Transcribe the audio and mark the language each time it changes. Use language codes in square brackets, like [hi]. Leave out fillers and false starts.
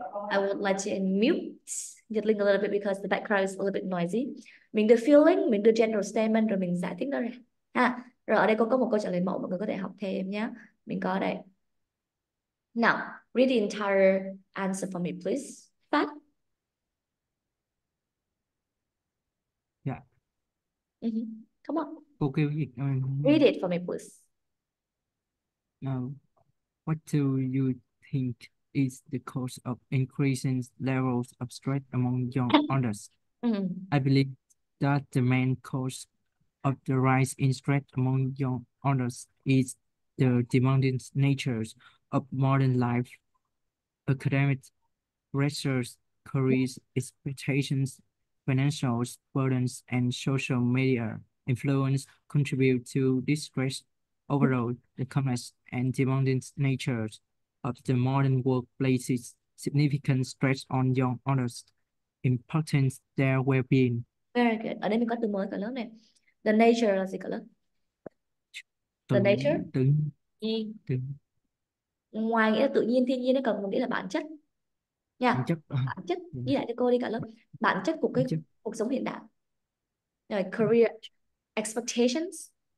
[en] I would like to unmute Nhật Linh a little bit because the background is a little bit noisy. [vi] Mình the feeling, mình the general statement rồi mình giải thích nó ra. Ha. Rồi ở đây có một câu trả lời mẫu mọi người có thể học thêm nhé. Mình có đây. [en] Now, read the entire answer for me, please. Phát. Come on. Read Okay, it for me, please. what do you think is the cause of increasing levels of stress among young adults? I believe that the main cause of the rise in stress among young adults is the demanding natures of modern life, academic pressures, career expectations, financial burdens, and social media influence contribute to this stress. Overall, the complex and demanding nature of the modern work places significant stress on young adults, impacting their well-being. Very good. [vi] Ở đây mình có từ mới cả lớp này. The nature là gì cả lớp? The nature? Từ từ Nhiên. từ Ngoài nghĩa là tự nhiên, thiên nhiên, nó còn nghĩa là bản chất. bản Nha. chất Bản chất. Ghi lại cho cô đi cả lớp. Bản chất của cái chất cuộc sống hiện đại. Rồi, career expectations.